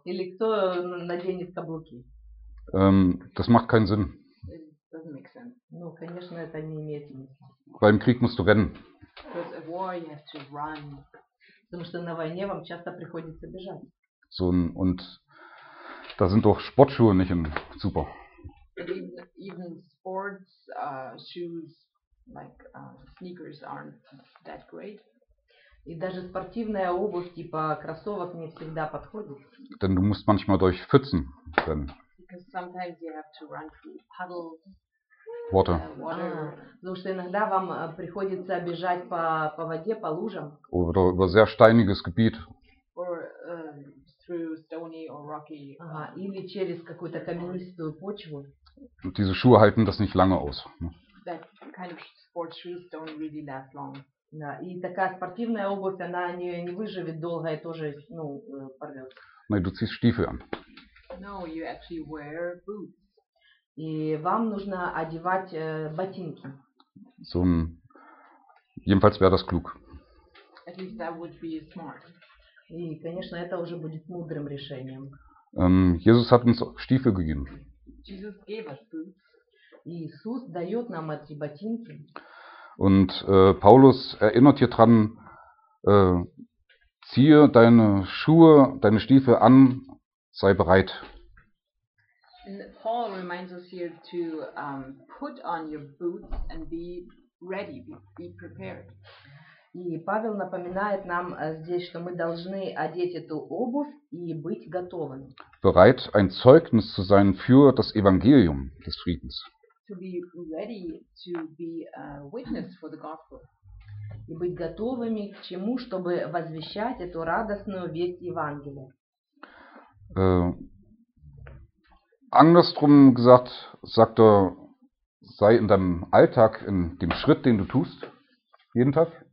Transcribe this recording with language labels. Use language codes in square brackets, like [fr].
[ru] Или кто наденет каблуки? [de] Das macht keinen Sinn. [en] It doesn't make sense. [ru] Ну, конечно, это не имеет смысла. [de] Beim Krieg musst du rennen. [en] Because at war you have to run. [ru] Потому что на войне вам часто приходится бежать. [de] So, und da sind doch Sportschuhe nicht in super. [en] Even sports shoes. Like sneakers aren't that great. [ru] И даже спортивная обувь типа кроссовок не всегда подходит. [de] Denn du musst manchmal durch Pfützen rennen. [en] Because sometimes you have to run through puddles. Water. [ru] Потому что иногда вам приходится бежать по воде, по лужам. [de] Oder über sehr steiniges Gebiet. [en] Or through stony or rocky. [ru] Или через какую-то каменистую почву. [de] Und diese Schuhe halten das nicht lange aus. [en] That kind of sports shoes don't really last long. [ru] Да, и такая спортивная обувь, она не выживет долго и тоже, ну, порвёт. [de] Nein, du ziehst Stiefel an. [en] No, you actually wear boots. [ru] И вам нужно одевать ботинки. [de] So, jedenfalls wäre das klug. [en] At least that would be smart. [ru] И, конечно, это уже будет мудрым решением. [de] Jesus hat uns Stiefel gegeben. [en] Jesus gave us boots. [ru] Иисус дает нам эти ботинки. [de] Und Paulus erinnert hier dran, ziehe deine Schuhe, deine Stiefel an, sei bereit. [en] And Paul reminds us here to put on your boots and be ready, be prepared. [ru] И Павел напоминает нам здесь, что мы должны одеть эту обувь и быть готовыми. [de] Bereit, ein Zeugnis zu sein für das Evangelium des Friedens. [en] To be ready to be a witness for the gospel. [ru] И быть готовыми к чему, чтобы возвещать эту радостную весть Евангелия. [de] Andersrum gesagt, sagt er, sei in deinem Alltag, in dem Schritt, den du tust, jeden Tag.